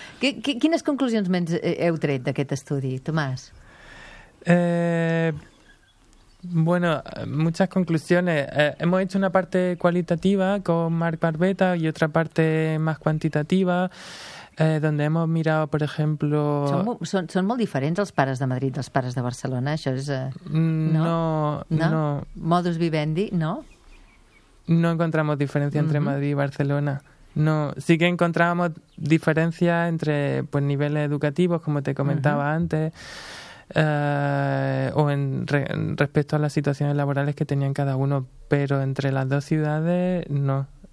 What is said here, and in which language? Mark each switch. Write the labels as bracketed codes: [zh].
[ca] Quines conclusions més heu tret d'aquest estudi, Tomàs? [es] Bueno, muchas conclusiones. Hemos hecho una parte cualitativa con Marc Barbeta y otra parte más cuantitativa, donde hemos mirado, por ejemplo... [ca] Són molt diferents els pares de Madrid dels pares de Barcelona, això és... No. Modus vivendi, no? [es] No encontramos diferencia entre Madrid y Barcelona. No, sí que encontrábamos diferencias entre pues niveles educativos, como te comentaba antes, o respecto a las situaciones laborales que tenían cada uno, pero entre las dos ciudades no.